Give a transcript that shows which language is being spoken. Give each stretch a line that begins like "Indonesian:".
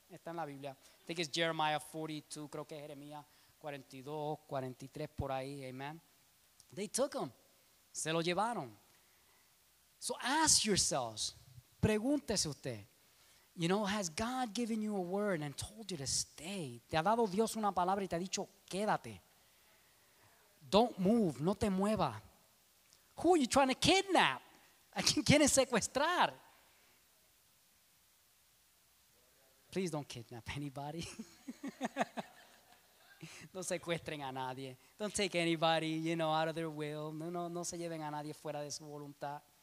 Spanish: Está en la Biblia.
English: I think it's Jeremiah 42.
Spanish: Creo que Jeremías 42, 43, por ahí. Amen.
English: They took him.
Spanish: Se lo llevaron.
English: So ask yourselves.
Spanish: Pregúntese usted.
English: You know, has God given you a word and told you to stay?
Spanish: Te ha dado Dios una palabra y te ha dicho, quédate.
English: Don't move.
Spanish: No te mueva.
English: Who are you trying to kidnap?
Spanish: ¿A quién quieres secuestrar?
English: Please don't kidnap anybody.
Spanish: No secuestren a nadie.
English: Don't take anybody, you know, out of their will.
Spanish: No se lleven a nadie fuera de su voluntad.